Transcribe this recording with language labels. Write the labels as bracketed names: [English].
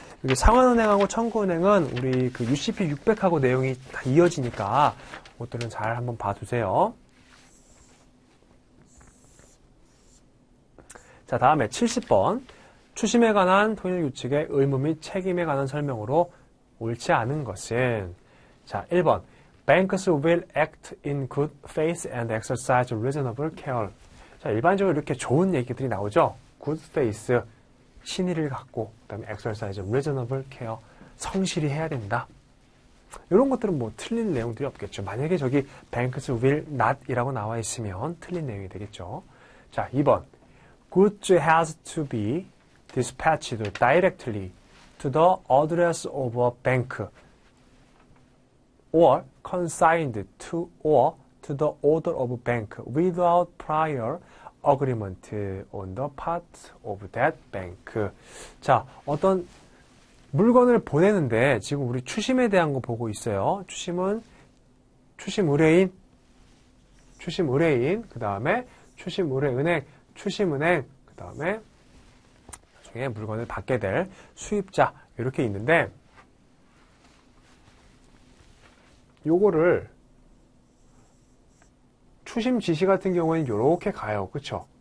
[Korean] 여기 상환은행하고 청구은행은 우리 그 UCP 600하고 내용이 다 이어지니까 그것들은 잘 한번 봐두세요. 자, 다음에 70번. 추심에 관한 통일 규칙의 의무 및 책임에 관한 설명으로 옳지 않은 것은? 자, 1번. [English] Banks will act in good faith and exercise reasonable care. [Korean] 자, 일반적으로 이렇게 좋은 얘기들이 나오죠? [English] Good faith. [Korean] 신의를 갖고, 그 다음에 [English] exercise reasonable care. [Korean] 성실히 해야 된다. 이런 것들은 뭐 틀린 내용들이 없겠죠. 만약에 저기 [English] Banks will not [Korean] 이라고 나와 있으면 틀린 내용이 되겠죠. 자, 2번. [English] Goods has to be dispatched directly to the address of a bank or consigned to or to the order of a bank without prior agreement on the part of that bank. [Korean] 자, 어떤 물건을 보내는데 지금 우리 추심에 대한 거 보고 있어요. 추심은 추심 의뢰인, 그 다음에 추심 의뢰은행, 추심 은행, 그다음에 나중에 물건을 받게 될 수입자 이렇게 있는데 요거를 추심 지시 같은 경우에는 요렇게 가요. 그렇죠?